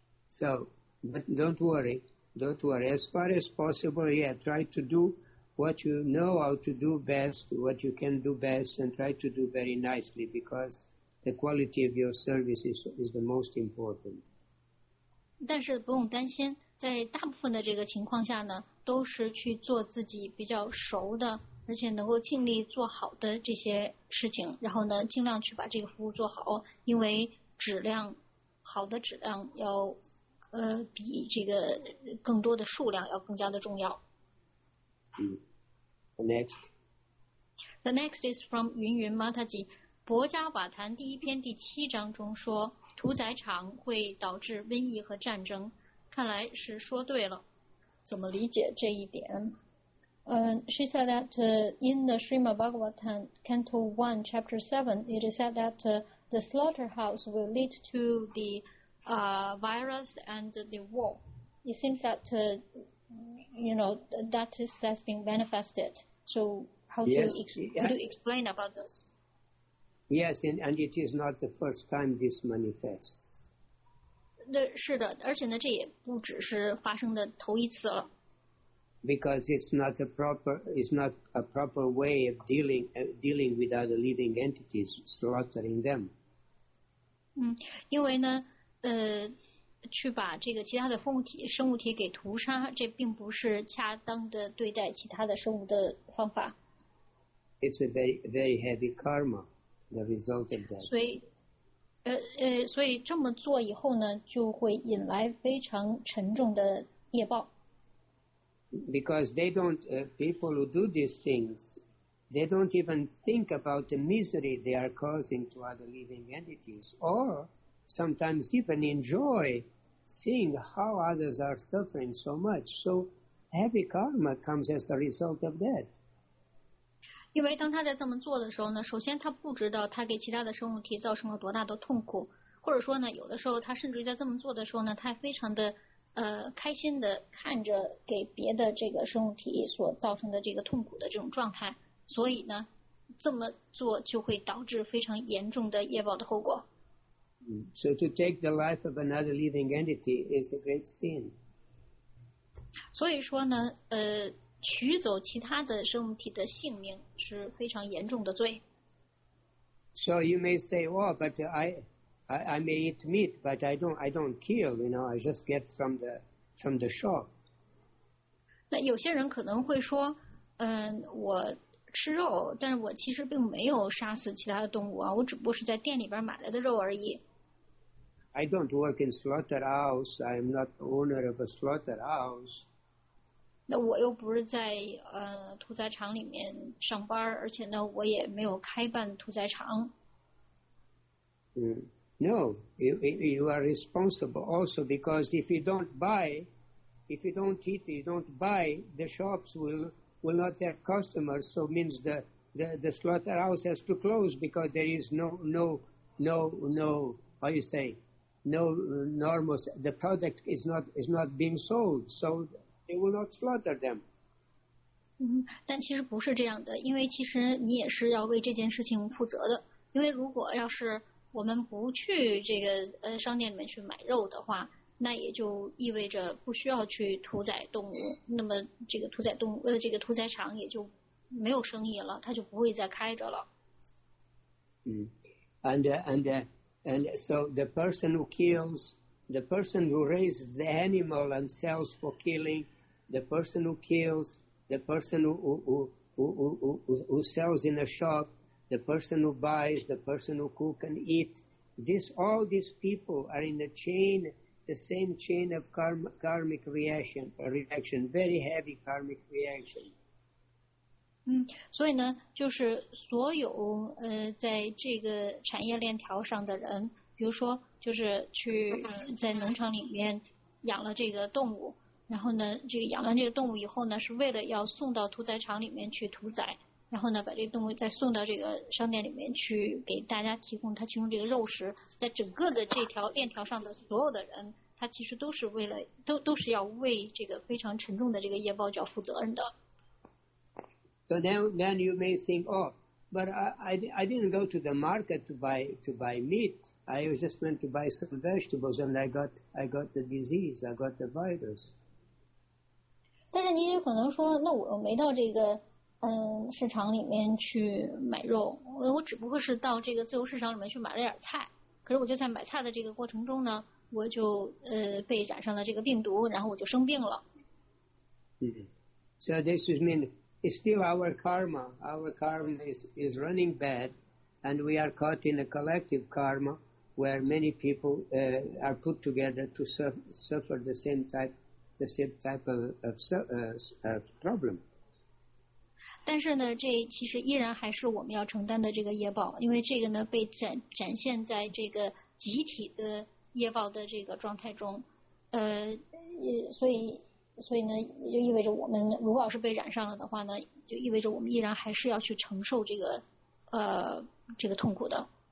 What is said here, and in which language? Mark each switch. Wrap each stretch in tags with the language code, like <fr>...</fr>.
<en>So, but don't worry. As far as possible, yeah, try to do what you know how to do best, what you can do best, and try to do very nicely, because the quality of your service is the most important.</en> <zh>但是不用担心，在大部分的这个情况下呢，都是去做自己比较熟的，而且能够尽力做好的这些事情，然后呢，尽量去把这个服务做好，因为质量，好的质量要比这个更多的数量要更加的重要。</zh> <en>The next is from 云云 Mataji.</en> <zh>博伽瓦坛第一篇第七章中说，屠宰场会导致瘟疫和战争，看来是说对了。怎么理解这一点？</zh> <en>She said that in the Srimad Bhagavatam, Canto 1, Chapter 7, it is said that the slaughterhouse will lead to the virus and the war. It seems that, you know, that has been manifested. So how do you explain about this? Yes, and it is not the first time this manifests.</en> <zh>是的，而且呢，这也不只是发生的头一次了。</zh> <en>Because it's not a proper way of dealing with other living entities, slaughtering them.</en> <zh>因为呢，去把这个其他的凤体生物体给屠杀，这并不是恰当的对待其他的生物的方法。</zh> <en>It's a very, very heavy karma, the result of that.</en> <zh>所以这么做以后呢，就会引来非常沉重的业报。</zh> <en>Because they don't, people who do these things, they don't even think about the misery they are causing to other living entities, or sometimes even enjoy seeing how others are suffering so much. So heavy karma comes as a result of that.</en> <zh>因为当他在这么做的时候呢，首先他不知道他给其他的生物体造成了多大的痛苦，或者说呢，有的时候他甚至在这么做的时候呢，他还非常的开心的看着给别的这个生物体所造成的这个痛苦的这种状态，所以呢，这么做就会导致非常严重的业报的后果。</zh> <en>So to take the life of another living entity is a great sin.</en> <zh>所以说呢，取走其他的生物体的性命是非常严重的罪。</zh> <en>So you may say, oh, but I may eat meat, but I don't kill. You know, I just get from the shop.</en> <zh>那有些人可能会说，我吃肉，但是我其实并没有杀死其他的动物啊，我只不过是在店里边买来的肉而已。</zh> <en>I don't work in slaughterhouse. I'm not the owner of a slaughterhouse.</en> <zh>那我又不是在屠宰场里面上班，而且呢，我也没有开办屠宰场。</zh> <en>No, you are responsible also because if you don't eat, you don't buy, the shops will not have customers. So means the slaughterhouse has to close because there is no normal, the product is not being sold. So they will not slaughter them.</en> <zh>但其实不是这样的，因为其实你也是要为这件事情负责的，因为如果要是我们不去这个商店里面去买肉的话，那也就意味着不需要去屠宰动物，那么这个屠宰动物这个屠宰场也就没有生意了，它就不会再开着了。</zh> <en>And so the person who raises the animal and sells for killing, the person who kills, the person who sells in a shop, the person who buys, the person who cook and eat, all these people are in the same chain of karmic reaction, very heavy karmic reaction.</en> <zh>所以呢，就是所有在这个产业链条上的人，比如说就是去在农场里面养了这个动物，然后呢，这个养完这个动物以后呢，是为了要送到屠宰场里面去屠宰。然后呢，把这个动物再送到这个商店里面去，给大家提供它其中这个肉食。在整个的这条链条上的所有的人，他其实都是为了，都是要为这个非常沉重的这个业报就要负责任的。</zh> <en>So then you may think, oh, but I didn't go to the market to buy meat. I just went to buy some vegetables, and I got the disease. I got the virus.</en> <zh>但是你也可能说，那我没到这个市场里面去买肉，我只不过是到这个自由市场里面去买了点菜，可是我就在买菜的这个过程中呢，我就被染上了这个病毒，然后我就生病了。</zh> <en>So this is mean it's still our karma is running bad, and we are caught in a collective karma where many people are put together to suffer the same type of problem.</en> <zh>但是呢，这其实依然还是我们要承担的这个业报，因为这个呢被展现在这个集体的业报的这个状态中，所以呢，也就意味着我们如果要是被染上了的话呢，就意味着我们依然还是要去承受这个痛苦的。</zh>